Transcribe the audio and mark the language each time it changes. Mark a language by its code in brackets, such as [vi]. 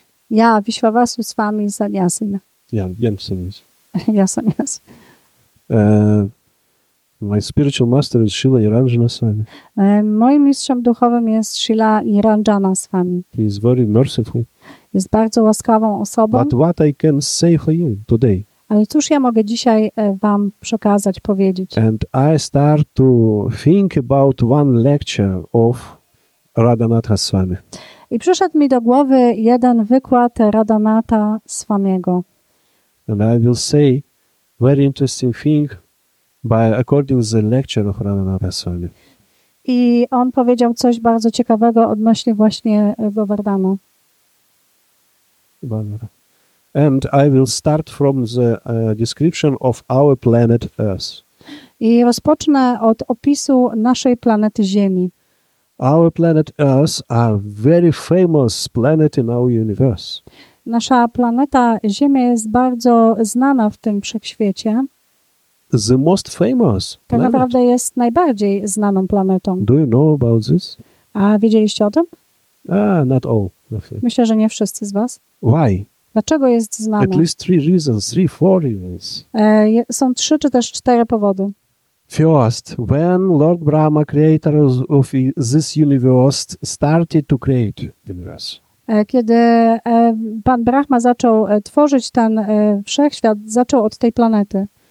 [en] Ja, Vishwavasu Swami, sannyasi. Ja, young sannyasi. Ja, sannyasi. My spiritual master is Srila Niranjana Swami. [pl] Moim mistrzem duchowym jest Srila Niranjana Swami. [en] He is very merciful. [pl] Jest bardzo łaskawą osobą. [en] But what I can say for you today? [pl] Ale cóż ja mogę dzisiaj wam przekazać, powiedzieć? [en] And I start to think about one lecture of Radhanatha Swami. [pl] I przyszedł mi do głowy jeden wykład Radhanatha Swamiego. [en] And I will say very interesting thing. By according to the lecture of Radhanatha Swami. [pl] I on powiedział coś bardzo ciekawego odnośnie właśnie Govardhana. [en] And I will start from the description of our planet Earth. [pl] I rozpocznę od opisu naszej planety Ziemi. [en] Our planet Earth are very famous planet in our universe. [pl] Nasza planeta Ziemia jest bardzo znana w tym wszechświecie. [en] The most famous planet. [pl] Tak naprawdę jest najbardziej znaną planetą. [en] Do you know about this? [pl] A wiedzieliście o tym? [en] Not all. Okay. [pl] Myślę, że nie wszyscy z was. [en] Why? [pl] Dlaczego jest znana? [en] At least three reasons, three, four reasons. [pl] Są trzy czy też cztery powody. [en] First, when Lord Brahma, creator of this universe, started to create the universe. [pl] Kiedy Pan Brahma zaczął tworzyć ten wszechświat, zaczął od tej planety.